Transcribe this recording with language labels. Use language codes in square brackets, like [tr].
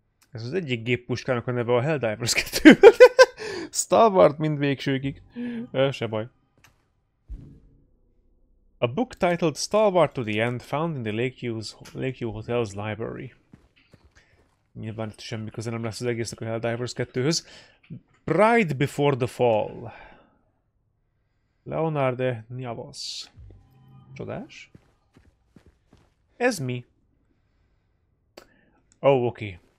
[hu] Ez az egyik géppuskának a neve a Helldivers 2. Stalwart mind végsőkig. Se baj. [en] A book titled Stalwart to the End, found in the Lakeview Hotel's library. [hu] Nyilván itt semmi köze nem lesz az egésznek a Helldivers 2-höz. Bride Before the Fall. Leonardo Nyavos. Csodás. Ez mi? Oh, oké.